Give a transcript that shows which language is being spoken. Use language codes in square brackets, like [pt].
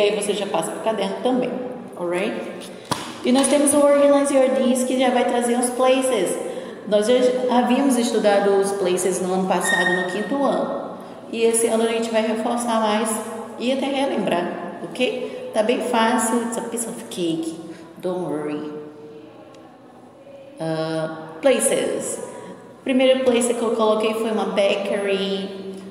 [pt] Aí você já passa para o caderno também. Alright? E nós temos o Organize Your Days, que já vai trazer os places. Nós já havíamos estudado os places no ano passado, no quinto ano. E esse ano a gente vai reforçar mais e até relembrar, ok? Tá bem fácil, [en] it's a piece of cake, don't worry. Places. [pt] Primeiro place que eu coloquei foi uma bakery.